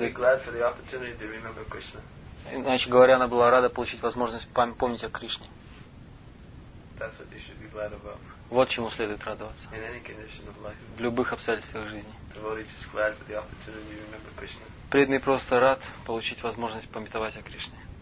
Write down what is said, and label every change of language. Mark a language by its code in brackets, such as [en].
[en] be glad for the opportunity to remember Krishna. [ru] Иначе говоря, она была рада получить возможность помнить о Кришне. [en] That's what you should be glad about. [ru] Вот чему следует радоваться. [en] In any condition of life. [ru] В любых обстоятельствах жизни. [en] Devotee just glad for the opportunity to remember Krishna. [ru] Преданный просто рад получить возможность памятовать о Кришне.